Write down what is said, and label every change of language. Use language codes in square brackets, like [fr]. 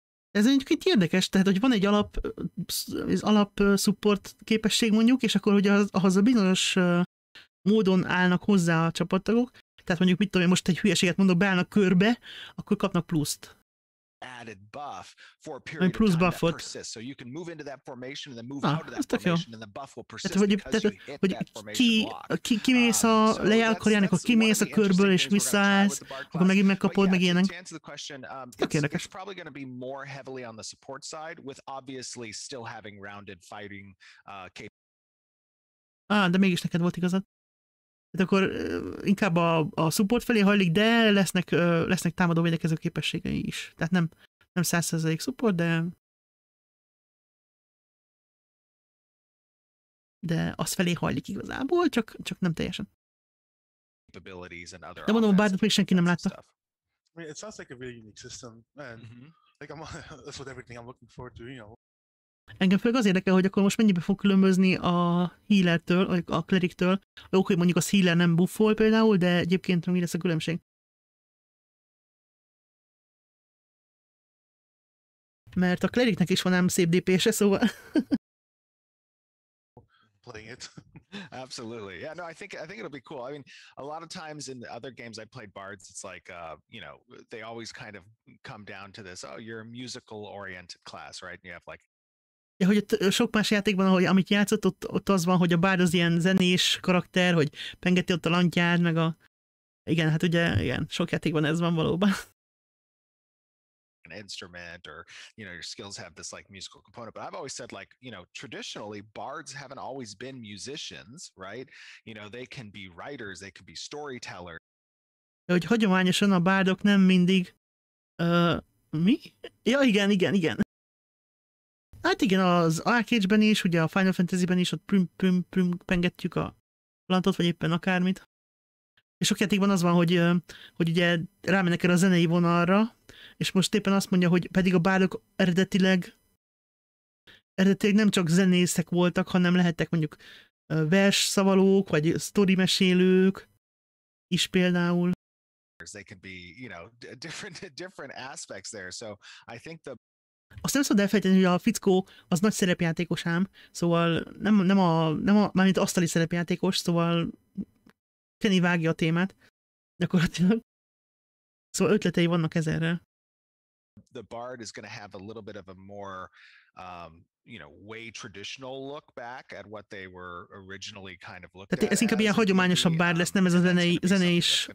[hu] Ez mondjuk itt érdekes, tehát hogy van egy alap support képesség mondjuk, és akkor hogy ahhoz a bizonyos módon állnak hozzá a csapattagok, tehát mondjuk mit tudom én, most egy hülyeséget mondok, beállnak körbe, akkor kapnak pluszt. [en] Added buff for a period of time that persists. So you can move into that formation and then move out of that formation and the buff will persist because you hit that formation block. [hu] Kimész a lejárkorjának, akkor kimész a körből és visszaállsz, akkor megint megkapod, meg ilyenek. Tök érdekes. [en] It's probably going to be more heavily on the support side with obviously still having rounded fighting capability. [hu] De mégis neked volt igazad. Tehát akkor inkább a support felé hajlik, de lesznek támadó védekező képességei is. Tehát nem 100% support, de az felé hajlik igazából, csak nem teljesen. De mondom, a bárdot még senki nem látta. [en] I mean, it sounds like a really unique system, and like that's what everything I'm looking forward to, you know. [hu] Engem főleg az érdekel, hogy akkor most mennyibe fog különbözni a healertől, vagy a cleric-től. Oké, mondjuk a healer nem buffol például, de egyébként mi lesz a különbség? Mert a cleric-nek is van ám szép DPS-e, szóval... [en] Playing it. Absolutely. Yeah, no, I think it'll be cool. I mean, a lot of times in other games I played bards, it's like you know, they always kind of come down to this, oh, you're a musical oriented class, right? And you have like [hu] ja, hogy sok más játékban, amit játszott, ott az van, hogy a bárd az ilyen zenés karakter, hogy pengeti ott a lantját, meg a... Igen, hát ugye, igen, sok játékban ez van valóban. [en] An instrument, or, you know, your skills have this, like, musical component, but I've always said, like, you know, traditionally, bards haven't always been musicians, right? You know, they can be writers, they can be storytellers. [hu] Ja, hogy hagyományosan a bárdok nem mindig... mi? Ja, igen. Hát igen, az Arcage-ben is, ugye a Final Fantasy-ben is, ott prüm-prüm-prüm pengetjük a lantot, vagy éppen akármit. És sok játékban az van, hogy ugye rámennek el a zenei vonalra, és most éppen azt mondja, hogy pedig a bárdok eredetileg nem csak zenészek voltak, hanem lehettek mondjuk versszavalók, vagy sztorimesélők is például. [en] They can be, you know, different aspects there, so I think the... [hu] Azt nem szabad elfejteni, hogy a fickó az nagy szerepjátékos ám, szóval nem a mármint asztali szerepjátékos, szóval Kenny vágja a témát. Gyakorlatilag. Szóval ötletei vannak ezerre. [en] The bard is going to have a little bit of a more, you know, way traditional look back at what they were originally kind of looked at. [hu] Tehát ez inkább ilyen hagyományosabb bard lesz, nem ez a zenei is.